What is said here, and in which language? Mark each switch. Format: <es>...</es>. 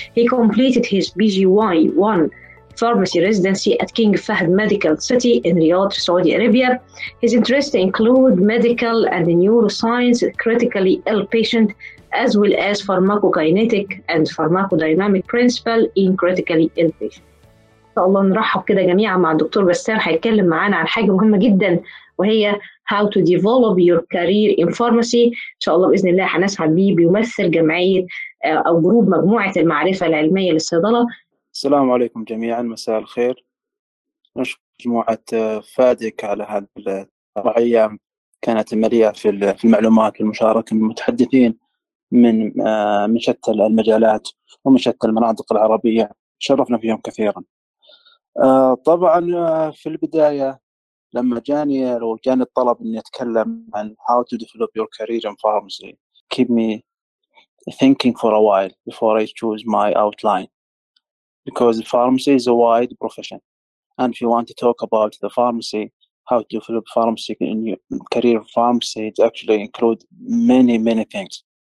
<en>He completed his BGY1 pharmacy residency at King Fahd Medical City in Riyadh, Saudi Arabia. His interests include medical and neuroscience, critically ill patient, as well as pharmacokinetic and pharmacodynamic principle in critically ill patients. So,</en> <ar>الله نرحب كده جميعا مع الدكتور بسام. هيتكلم معانا عن حاجة مهمة جدا وهي</ar> <en>how to develop your career in pharmacy.</en> <ar>إن شاء الله بإذن الله هنسعد بيه. بيمثل جمعية أو جروب مجموعة المعرفة العلمية للصيدلة. السلام عليكم جميعا، مساء الخير. نشكر مجموعة فادك على هذه الأيام، كانت مليئة في المعلومات والمشاركة من المتحدثين من شتى المجالات ومن شتى المناطق العربية، شرفنا فيهم كثيرا. طبعا في البداية لما جاني الطلب أن يتكلم عن</ar> <en>how to develop your career in pharmacy, keep me thinking for a while before I choose my outline, because pharmacy is a wide profession, and if you want to talk about the pharmacy, how to develop pharmacy in your career in pharmacy, it actually includes many things.</en>